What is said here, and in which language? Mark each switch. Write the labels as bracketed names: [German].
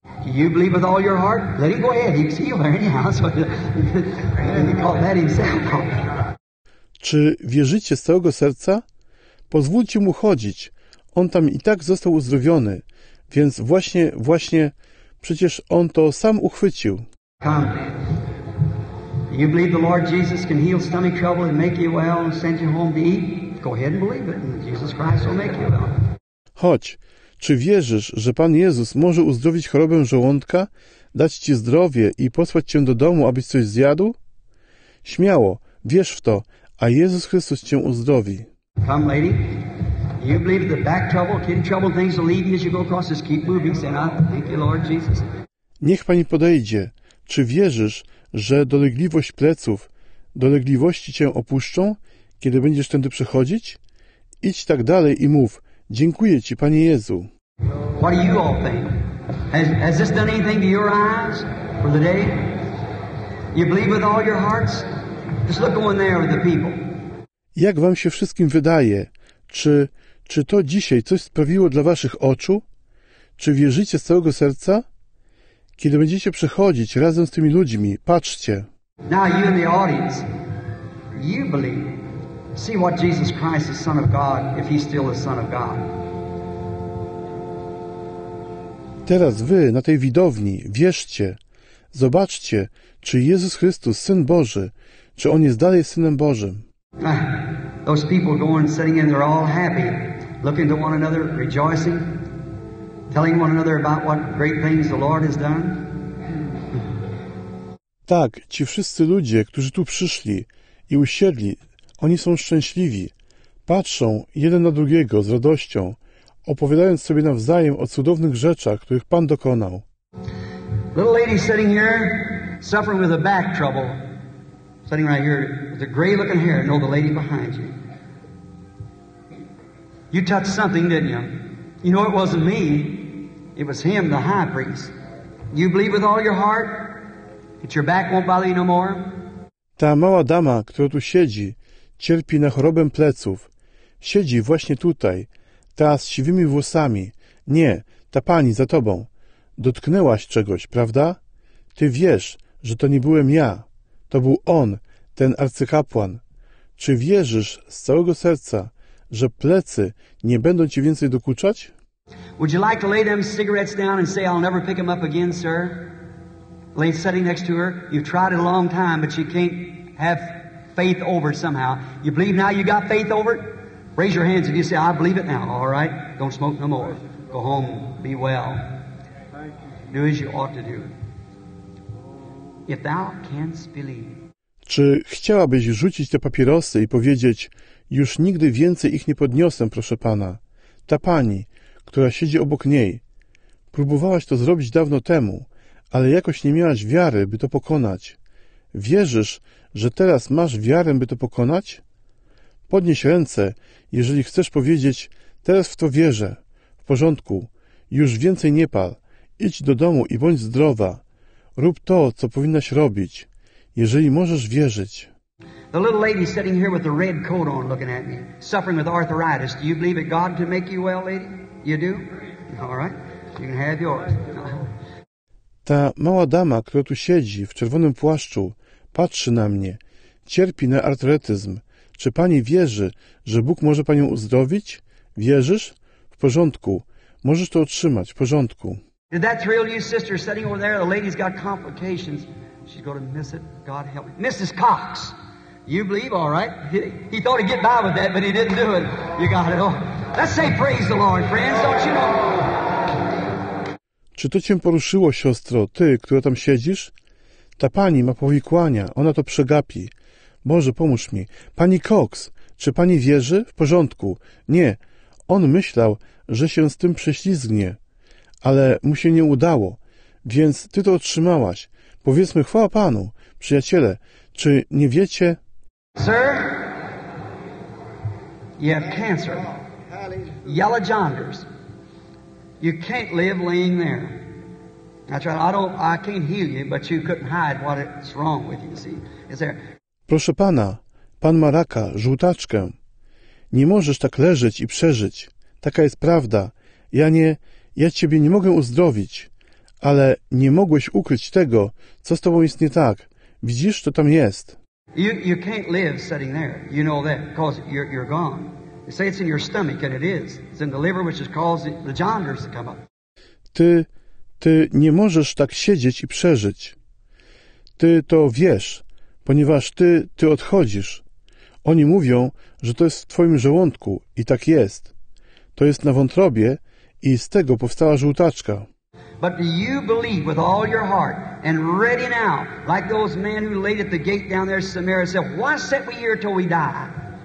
[English] Do you believe with all your heart? Let him go ahead. He's healed there anyhow. And he caught that himself. [Polish] Czy wierzycie z całego serca? Pozwólcie mu chodzić. On tam i tak został uzdrowiony, więc właśnie, przecież on to sam uchwycił. [English] Come. You believe the Lord Jesus can heal stomach trouble and make you well and send you home to eat? Go ahead and believe it, and Jesus Christ will make you well. [Polish] Chodź, czy wierzysz, że Pan Jezus może uzdrowić chorobę żołądka, dać Ci zdrowie i posłać Cię do domu, abyś coś zjadł? Śmiało, wierz w to, a Jezus Chrystus Cię uzdrowi. [English] Come, lady. You believe the back trouble, kidney trouble, things will leave you as you go across, just keep moving, say, thank you, Lord Jesus. [Polish] Niech Pani podejdzie. Czy wierzysz, że dolegliwość pleców, dolegliwości Cię opuszczą, kiedy będziesz tędy przechodzić? Idź tak dalej i mów, dziękuję Ci, Panie Jezu. [English] What do you all think? Has this done anything to your eyes for the day? You believe with all your hearts? Just look on there with the people. [Polish] Jak Wam się wszystkim wydaje? Czy to dzisiaj coś sprawiło dla waszych oczu? Czy wierzycie z całego serca? Kiedy będziecie przechodzić razem z tymi ludźmi, patrzcie. [English] Now you in the audience, you believe. See what Jesus Christ is Son of God, if he's still the Son of God. [Polish] Teraz wy na tej widowni, wierzcie. Zobaczcie, czy Jezus Chrystus, Syn Boży, czy On jest dalej Synem Bożym. [English] Those people going, sitting in, they're all happy, looking to one another, rejoicing, telling one another about what great things the Lord has done. [Polish] Tak, ci wszyscy ludzie, którzy tu przyszli i usiedli, oni są szczęśliwi. Patrzą jeden na drugiego z radością, opowiadając sobie nawzajem o cudownych rzeczach, których Pan dokonał. [English] Little lady sitting here, suffering with a back trouble. Sitting right here with the gray looking hair. No, the lady behind you. You touched something, didn't you? You know it wasn't me. It was him, the high priest. You believe with all your heart that your back won't bother you no more? [Polish] Ta mała dama, która tu siedzi, cierpi na chorobę pleców. Siedzi właśnie tutaj. Ta z siwymi włosami. Nie, ta pani za tobą. Dotknęłaś czegoś, prawda? Ty wiesz, że to nie byłem ja. To był on, ten arcykapłan. Czy wierzysz z całego serca, że plecy nie będą ci więcej dokuczać? [English] Would you like to lay them cigarettes down and say, I'll never pick them up again, sir? Lay sitting next to her. You've tried it a long time, but you can't have faith over it somehow. You believe now you got faith over it? Raise your hands if you say, I believe it now. All right. Don't smoke no more. Go home. Be well. Do as you ought to do. If thou canst believe. [Polish] Czy chciałabyś rzucić te papierosy i powiedzieć, już nigdy więcej ich nie podniosę, proszę pana? Ta pani, która siedzi obok niej. Próbowałaś to zrobić dawno temu, ale jakoś nie miałaś wiary, by to pokonać. Wierzysz, że teraz masz wiarę, by to pokonać? Podnieś ręce, jeżeli chcesz powiedzieć, teraz w to wierzę. W porządku, już więcej nie pal. Idź do domu i bądź zdrowa. Rób to, co powinnaś robić, jeżeli możesz wierzyć. [English] The little lady sitting here with the red coat on looking at me, suffering with arthritis, do you believe that God can make you well, lady? You do? All right. You can have yours. [Polish] Ta mała dama, która tu siedzi w czerwonym płaszczu, patrzy na mnie, cierpi na artretyzm. Czy pani wierzy, że Bóg może panią uzdrowić? Wierzysz? W porządku. Możesz to otrzymać. W porządku. [English] Did that thrill you, sister, sitting over there? The lady's got complications. She's going to miss it. God help me. Mrs. Cox, you believe? All right. He thought he'd get by with that, but he didn't do it. You got it. Oh. Let's say praise the Lord, friends. Don't you know? [Polish] Czy to cię poruszyło, siostro, ty, która tam siedzisz? Ta pani ma powikłania, ona to przegapi. Boże, pomóż mi. Pani Cox, czy pani wierzy? W porządku. Nie, on myślał, że się z tym prześlizgnie, ale mu się nie udało, więc ty to otrzymałaś. Powiedzmy, chwała panu, przyjaciele, czy nie wiecie? [English] Sir, you have cancer, yellow jaundice. You can't live laying there. That's right. I can't heal you, but you couldn't hide what's wrong with you, see? Is there? [Polish] Proszę pana, pan ma raka, żółtaczkę. Nie możesz tak leżeć i przeżyć. Taka jest prawda. Ja ciebie nie mogę uzdrowić, ale nie mogłeś ukryć tego, co z tobą jest nie tak. Widzisz, to tam jest. [English] You can't live sitting there. You know that, because you're gone. They say it's in your stomach, and it is. It's in the liver, which is causing the jaundice to come up. [Polish] Ty nie możesz tak siedzieć i przeżyć. Ty to wiesz, ponieważ ty odchodzisz. Oni mówią, że to jest w twoim żołądku i tak jest. To jest na wątrobie i z tego powstała żółtaczka. [English] But do you believe with all your heart and ready now, like those men who laid at the gate down there in Samaria, said, why sit we here till we die?